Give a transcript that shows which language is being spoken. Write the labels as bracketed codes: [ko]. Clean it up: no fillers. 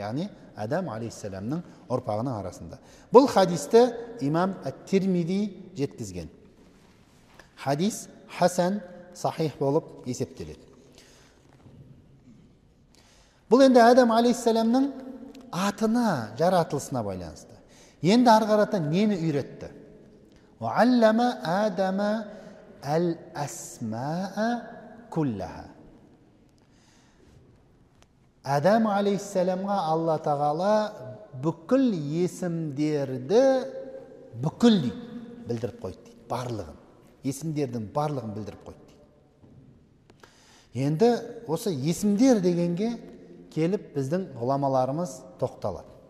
[kk] Яғни Адам алейхиссаламның ұрпағының арасында. Бұл хадисті имам ат-Тирмизи жеткізген. Хадис хасан, сахих болып есептеледі. Бұл енді Адам алейхиссаламның атына, жаратылысына байланысты. Енді ары қарата нені үйретті? [ar] Уаллама Адама аль-асмаа куллаха. [kk] Адам алейхиссаламға Алла Тағала бүкіл есімдерді бүкіл дейді, білдіріп қойды дейді. Барлығын. Есімдердің барлығын білдіріп қойды дейді. Енді осы есімдер дегенге келіп біздің ғұламаларымыз тоқталады.